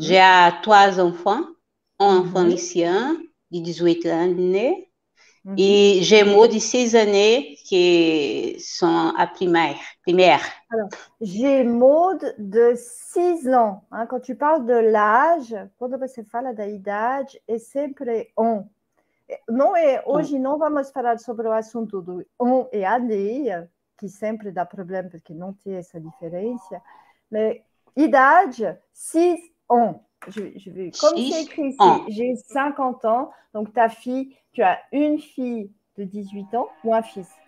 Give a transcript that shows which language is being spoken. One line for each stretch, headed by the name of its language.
French: J'ai trois enfants, un enfant lycéen de 18 années et j'ai un mot de 6 années qui sont à primaire. Alors, j'ai un mot de 6 ans. Hein, quand tu parles de l'âge, quand on se parle d'âge, c'est toujours « on ». Non, et aujourd'hui, nous allons parler sur l'assunto de « on » et « année ».
Portuguese: Qui sempre dá problema porque não tem essa diferença, mas idade 6 ans.
French: Comme c'est écrit ici, j'ai 50 ans, donc ta fille, tu as une fille de 18 ans ou un fils?